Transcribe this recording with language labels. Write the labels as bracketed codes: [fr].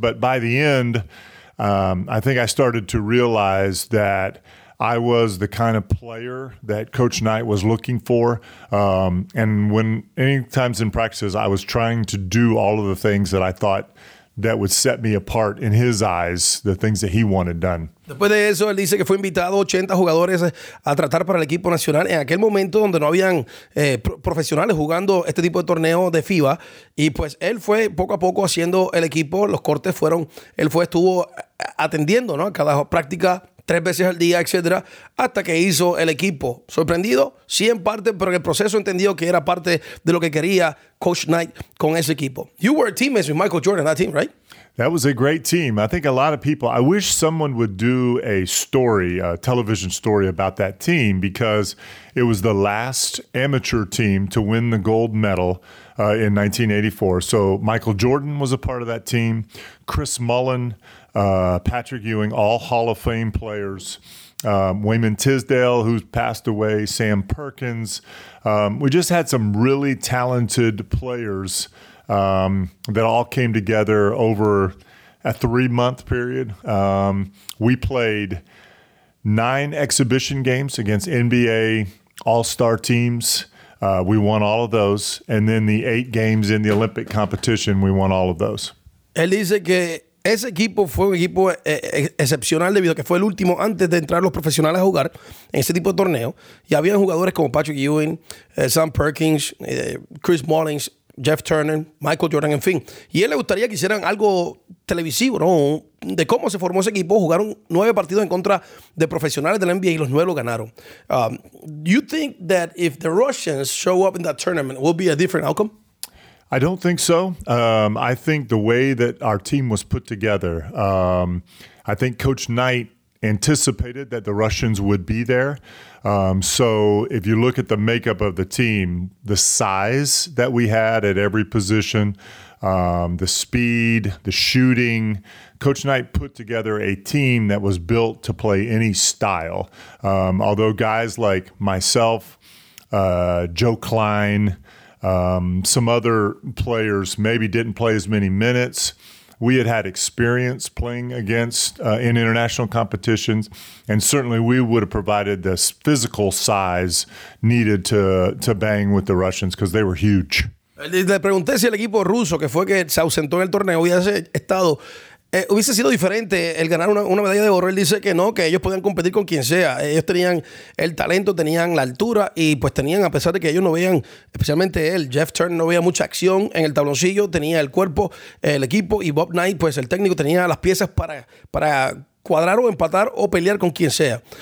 [en] But by the end, I think I started to realize that I was the kind of player that Coach Knight was looking for. And when any times in practices, I was trying to do all of the things that I thought that would set me apart in his eyes, the things that he wanted done. [es] Después de eso, él dice que fue invitado 80 jugadores a tratar para el equipo nacional en aquel momento donde no habían profesionales jugando este tipo de torneo de FIBA. Y pues él fue poco a poco haciendo el equipo. Los cortes fueron, él fue, estuvo atendiendo, ¿no?, cada práctica, tres veces al día, etcétera, hasta que hizo el equipo. Sorprendido, sí en parte, pero en el proceso entendió que era parte de lo que quería Coach Knight con ese equipo. [en] You were a teammate with Michael Jordan, that team, right? That was a great team. I think a lot of people, I wish someone would do a story, a television story about that team, because it was the last amateur team to win the gold medal in 1984. So Michael Jordan was a part of that team. Chris Mullen, Patrick Ewing, all Hall of Fame players. Wayman Tisdale, who's passed away. Sam Perkins. We just had some really talented players that all came together over a 3-month period. We played 9 exhibition games against NBA all-star teams. We won all of those. And then the 8 games in the Olympic competition, we won all of those. [es] Elisa que ese equipo fue un equipo excepcional debido a que fue el último antes de entrar los profesionales a jugar en ese tipo de torneo. Y habían jugadores como Patrick Ewing, Sam Perkins, Chris Mullins, Jeff Turner, Michael Jordan, en fin. Y él le gustaría que hicieran algo televisivo, ¿no?, de cómo se formó ese equipo. Jugaron 9 partidos en contra de profesionales de la NBA y los 9 lo ganaron. [en] You think that if the Russians show up in that tournament, it will be a different outcome? I don't think so. I think the way that our team was put together, I think Coach Knight anticipated that the Russians would be there. So if you look at the makeup of the team, the size that we had at every position, the speed, the shooting, Coach Knight put together a team that was built to play any style. Although guys like myself, Joe Klein, some other players maybe didn't play as many minutes. We had experience playing against in international competitions, and certainly we would have provided the physical size needed to bang with the Russians because they were huge. [es] Le pregunté si el equipo ruso que fue que se ausentó en el torneo hubiese estado hubiese sido diferente el ganar una medalla de oro. Él dice que no, que ellos podían competir con quien sea. Ellos tenían el talento, tenían la altura y pues tenían, a pesar de que ellos no veían, especialmente él, Jeff Turner no veía mucha acción en el tabloncillo, tenía el cuerpo, el equipo y Bob Knight, pues el técnico, tenía las piezas para cuadrar o empatar o pelear con quien sea.